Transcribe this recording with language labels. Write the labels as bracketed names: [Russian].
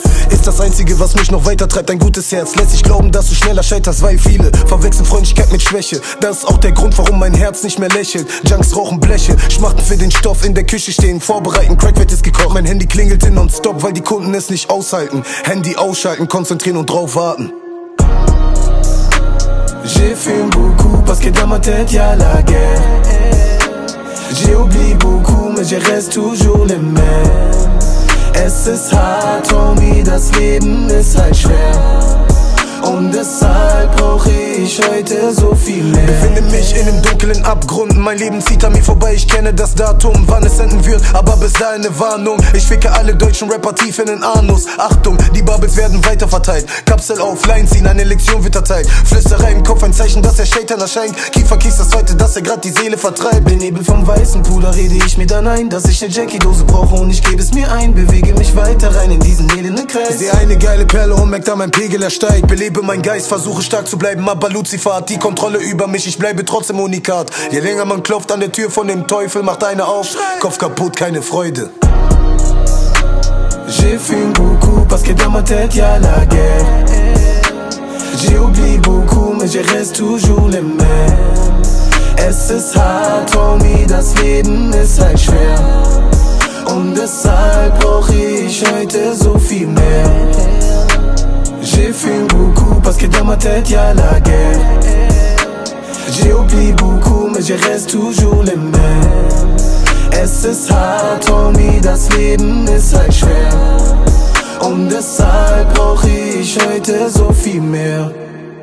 [German] Ist das Einzige, was mich noch weiter treibt, ein gutes Herz. Lässt sich glauben, dass du schneller scheiterst, weil viele verwechseln Freundlichkeit mit Schwäche. Das ist auch der Grund, warum mein Herz nicht mehr lächelt. Junks rauchen Bleche, Schmachten für den Stoff in der Küche stehen, vorbereiten, Crack wird jetzt gekocht. Mein Handy klingelt nonstop, weil die Kunden es nicht aushalten. Handy ausschalten, konzentrieren und drauf warten. [French] J'ai fumé beaucoup parce que dans ma tête y'a la guerre. J'ai oublié beaucoup mais je reste toujours le même. [German] Es ist hart, Homie, das Leben ist halt schwer. Und deshalb brauch ich heute so viel mehr. Befinde mich in einem dunklen Abgrund. Mein Leben zieht an mir vorbei. Ich kenne das Datum, wann es enden wird. Aber bis dahin eine Warnung. Ich ficke alle deutschen Rapper tief in den Anus. Achtung, die Bubbles werden weiter verteilt. Kapsel auf, Line ziehen, eine Lektion wird erteilt. Flüsterei im Kopf, ein Zeichen, dass der Shaitan erscheint. Kiefer kies das heute, dass er grad die Seele vertreibt. Benebelt vom weißen Puder rede ich mir dann ein, dass ich ne Jackie-Dose brauche und ich gebe es mir ein. Bewege mich weiter rein in diesen elenden Kreis. Seh eine geile Perle und merk da mein Pegel ersteigt. Belebe mein Geist, versuche stark zu bleiben, aber Lucifer hat die Kontrolle über mich, ich bleibe trotzdem Unikat. Je länger man klopft an der Tür von dem Teufel, macht einer auf, schrei. Kopf kaputt, keine Freude. [French] J'ai fumé beaucoup parce que dans ma tête y'a la guerre. J'ai oublié beaucoup mais je reste toujours le même. [German] Es ist hart, Homie, das Leben ist halt schwer. Und deshalb brauch ich heute so viel mehr. [French] J'ai fumé beaucoup parce que dans ma tête y'a la guerre. J'ai oublié beaucoup mais je reste toujours le même. [German] Es ist hart, Homie, das Leben ist halt schwer. Und deshalb brauch ich heute so viel mehr.